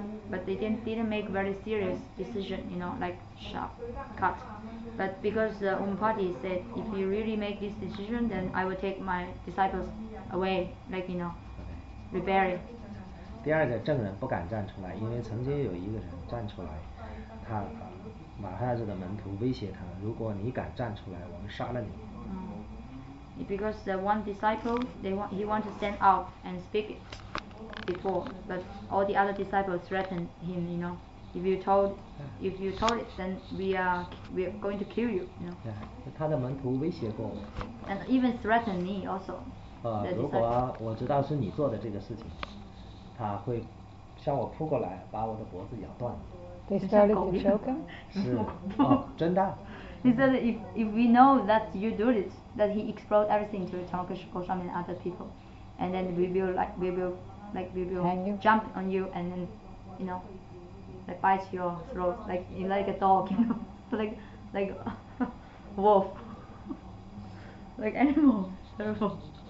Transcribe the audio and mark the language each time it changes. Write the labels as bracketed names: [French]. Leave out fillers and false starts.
[English] But they didn't make very serious decision, you know, like sharp cut. But because the Umpati said if you really make this decision then I will take my disciples away, like you know, rebellion. [Chinese] 第二个证人不敢站出来，因为曾经有一个人站出来，他马哈拉什的门徒威胁他，如果你敢站出来，我们杀了你。 [English] Because the one disciple, he want to stand out and speak before, but all the other disciples threatened him. You know, if you told it, then we are going to kill you. You know. [Chinese] 他的门徒威胁过我。 [English] And even threatened me also. [Chinese] 如果我知道是你做的这个事情，他会向我扑过来，把我的脖子咬断。 [English] They started to choke him. [Chinese] 是，真的。 [English] He said if we know that you do it, that he explode everything to Chanakesh Goswami and other people, and then we will jump on you and then, you know, like bite your throat like a dog, you know, like a wolf, like animal, terrible.